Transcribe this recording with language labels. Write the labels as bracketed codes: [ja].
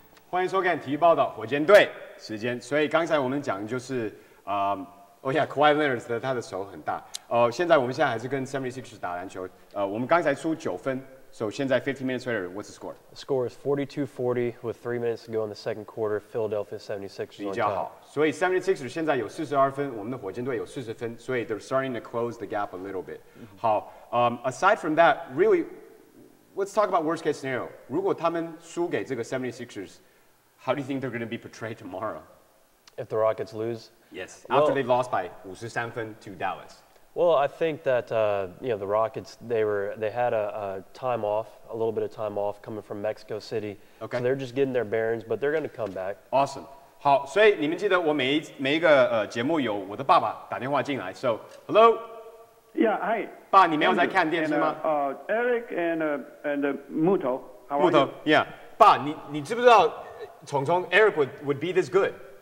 [zh] 欢迎收看体育报道火箭队时间。所以刚才我们讲就是Kawhi Leonard 他的手很大。现在我们现在还是跟 76ers 打篮球。我们刚才出九分。 [en] So, [zh] 现在 [en] 15 minutes later, what's the score? The score is 42-40 with 3 minutes to go in the second quarter. Philadelphia 76ers [zh] 比较好。所以 76ers 现在有42分，我们的火箭队有40分，所以 [en] they're starting to close the gap a little bit. 好， aside from that, really, let's talk about worst case scenario. [zh] 如果他们输给这个 [en] 76ers, how do you think they're going to be portrayed tomorrow? If the Rockets lose? Yes, after they lost by 53 分 to Dallas. Well, I think that, you know, the Rockets, they had a little bit of time off coming from Mexico City. Okay. So they're just getting their bearings, but they're going to come back. Awesome. [zh] 好，所以你们记得我每一个节目有我的爸爸打电话进来。 [en] So, hello? Yeah, hi. [zh] 爸，你没有在看电视吗？ [en] Eric and Muto. Muto, yeah. [zh] 爸，你知不知道虫虫 [en] Eric would be this good?